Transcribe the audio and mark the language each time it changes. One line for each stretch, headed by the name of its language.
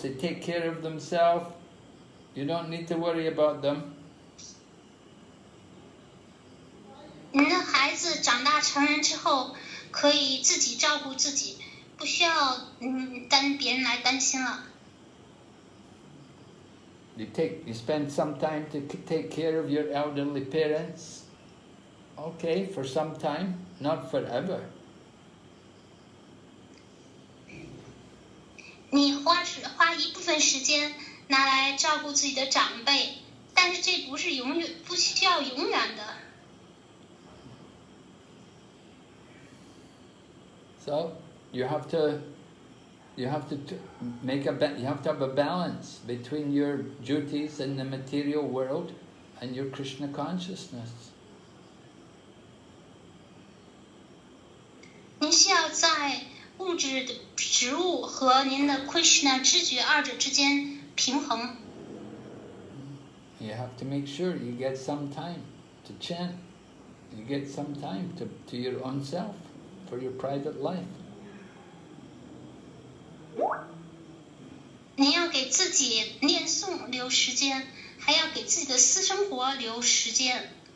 English: They take care of themselves. You don't need to worry about them.
Chinese: 您的孩子长大成人之后，可以自己照顾自己，不需要担别人来担心了。
English: You spend some time to take care of your elderly parents. Okay, for some time, not forever.
Chinese: 你 花一部分时间拿来照顾自己的长辈，但是这不是永远，不需要永远的。
English: So, you have to have a balance between your duties in the material world and your Krishna consciousness.
Chinese: 您需要在物质的植物和您的 Krishna 知觉二者之间平衡。
English: You have to make sure you get some time to chant. You get some time to your own self for your private life.
Chinese: 您要给自己念诵留时间，还要给自己的私生活留时间。